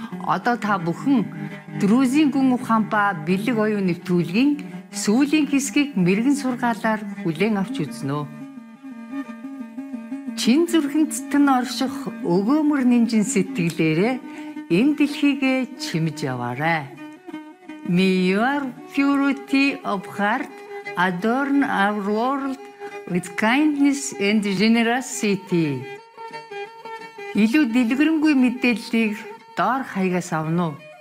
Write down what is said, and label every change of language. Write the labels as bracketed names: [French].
[Mongolian] Одоо та бүхэн друзийн гүн ухаан ба бэлэг оюун нэвтрүүлгийн сүүлийн хэсгийг мэрэгэн сургаалаар хүлээн авч үзнө. Чин зүрхэн цэтгэн орших өгөөмөр нэмжин сэтгэлээрээ энэ дэлхийгээ чимж яваарай. [English] May your purity of heart adorn our world with kindness and generosity. [Mongolian] Илүү дэлгэрэнгүй мэдээллийг доор хаягаас авна уу.